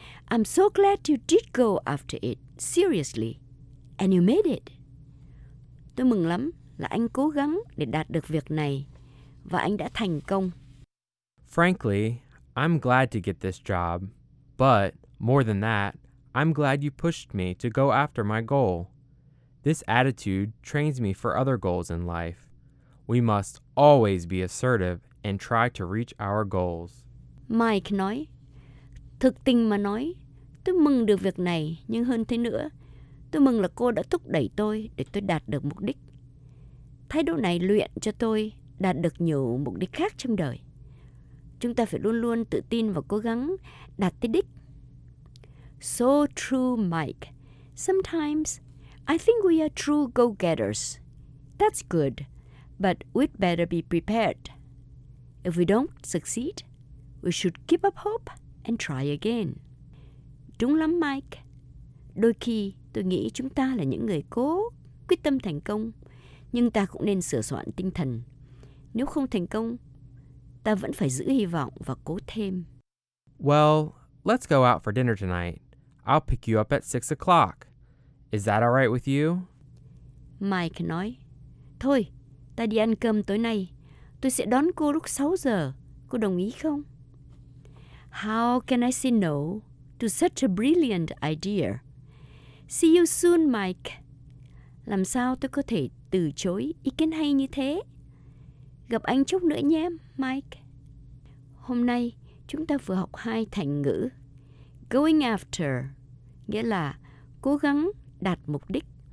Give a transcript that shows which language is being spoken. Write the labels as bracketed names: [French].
[English] I'm so glad you did go after it, seriously, and you made it. [Vietnamese] Tôi mừng lắm là anh cố gắng để đạt được việc này, và anh đã thành công. [English] Frankly, I'm glad to get this job, but more than that, I'm glad you pushed me to go after my goal. This attitude trains me for other goals in life. We must always be assertive and try to reach our goals. [Vietnamese] Mike nói, thực tình mà nói, tôi mừng được việc này, nhưng hơn thế nữa, tôi mừng là cô đã thúc đẩy tôi để tôi đạt được mục đích. Thái độ này luyện cho tôi đạt được nhiều mục đích khác trong đời. Chúng ta phải luôn luôn tự tin và cố gắng đạt tới đích. [English] So true, Mike. Sometimes, I think we are true go-getters. That's good, but we'd better be prepared. If we don't succeed, we should keep up hope and try again. [Vietnamese] trúng lắm, Mike. Đôi khi tôi nghĩ chúng ta là những người cố quyết tâm thành công, nhưng ta cũng nên sửa soạn tinh thần. Nếu không thành công, ta vẫn phải giữ hy vọng và cố thêm. [English] Well, let's go out for dinner tonight. I'll pick you up at 6 o'clock. Is that all right with you? [Vietnamese] Mike nói, thôi, ta đi ăn cơm tối nay. Tôi sẽ đón cô lúc 6 giờ. Cô đồng ý không? [English] How can I say no to such a brilliant idea? See you soon, Mike. [Vietnamese] Làm sao tôi có thể từ chối ý kiến hay như thế? Gặp anh chút nữa nhé, Mike. Hôm nay, chúng ta vừa học hai thành ngữ. [English] Going after, [Vietnamese] nghĩa là cố gắng đạt mục đích.